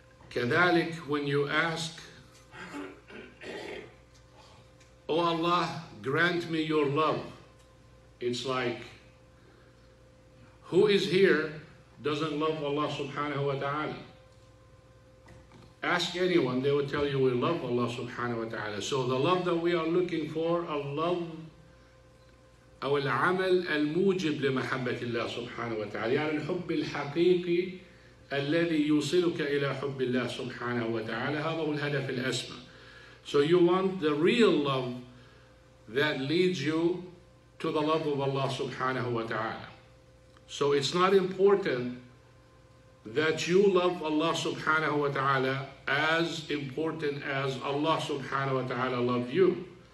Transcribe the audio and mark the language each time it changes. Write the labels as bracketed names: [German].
[Arabic] كذلك, [English] when you ask, O Allah, grant me your love, it's like, who is here doesn't love Allah subhanahu wa ta'ala? Ask anyone, they will tell you we love Allah subhanahu wa ta'ala. So the love that we are looking for, Allah, [Arabic] أو العمل الموجب لمحبة الله سبحانه وتعالى, يعني الحب الحقيقي الذي يوصلك إلى حب الله سبحانه وتعالى, هذا هو الهدف الأسمى. [English] So you want the real love that leads you to the love of Allah subhanahu wa ta'ala. So it's not important that you love Allah subhanahu wa ta'ala as important as Allah subhanahu wa ta'ala love you.